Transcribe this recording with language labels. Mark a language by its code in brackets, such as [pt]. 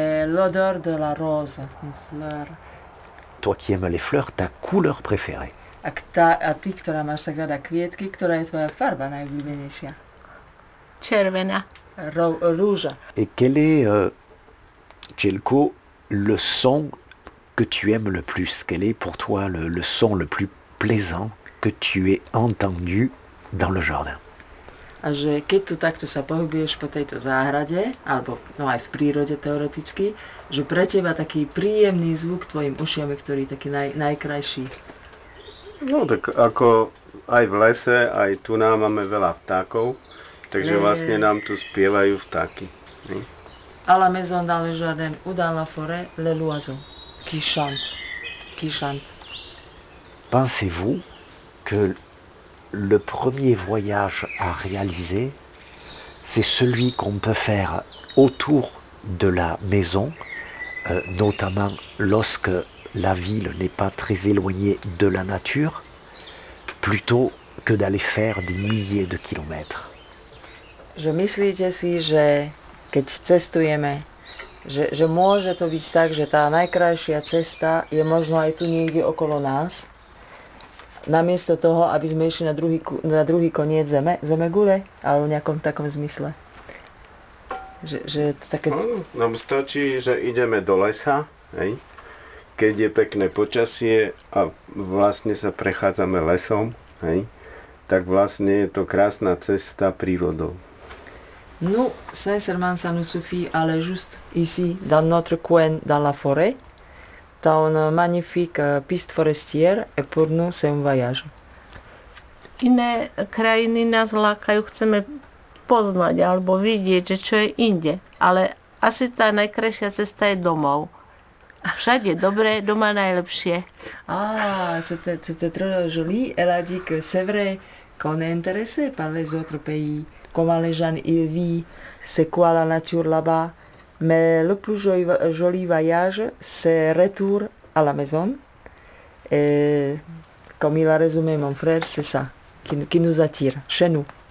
[fr] L'odeur de la rose, une fleur. Toi qui aimes les fleurs, ta couleur préférée. [sk] A ty, ktorá máš tak rada kvietky, ktorá je tvoja farba najobľúbenejšia? Červená. Rúža. [fr] Et quel est, Čelko, le son que tu aimes le plus, quel est pour toi le son le plus plaisant que tu aies entendu dans le jardin? [sk] A že keď tu takto sa pohybuješ po tejto záhrade, alebo no aj v prírode teoreticky, že pre teba taký príjemný zvuk tvojim ušiam, ktorý je taký najkrajší? No tak ako aj v lese, aj tu nám máme veľa vtákov, takže vlastne nám tu spievajú vtáky. À la maison, dans le jardin ou dans la forêt, les oiseaux qui chantent. [fr] Pensez-vous que le premier voyage à réaliser, c'est celui qu'on peut faire autour de la maison, notamment lorsque la ville n'est pas très éloignée de la nature, plutôt que d'aller faire des milliers de kilomètres? [sk] Je myslíte si, že... keď cestujeme, že môže to byť tak, že tá najkrajšia cesta je možno aj tu niekde okolo nás, namiesto toho, aby sme išli na druhý koniec zemegule, ale v nejakom takom zmysle. Že také... Nám stačí, že ideme do lesa, hej, keď je pekné počasie a vlastne sa prechádzame lesom, hej, tak vlastne je to krásna cesta prírodou. Nous, sincèrement, ça nous suffit aller juste ici, dans notre coin, dans la forêt. T'as une magnifique piste forestière et pour nous, c'est un voyage. Iné krajiny nás lákajú, chceme poznať alebo vidieť, že čo je inde. Ale asi tá najkrajšia cesta je domov. Všade dobré, doma najlepšie. [fr] Ah, c'est très joli. Elle a dit que c'est vrai qu'on est intéressé par les autres pays. Comment les gens y vivent, c'est quoi la nature là-bas. Mais le plus joli voyage, c'est retour à la maison. Et comme il a résumé mon frère, c'est ça qui nous attire, chez nous.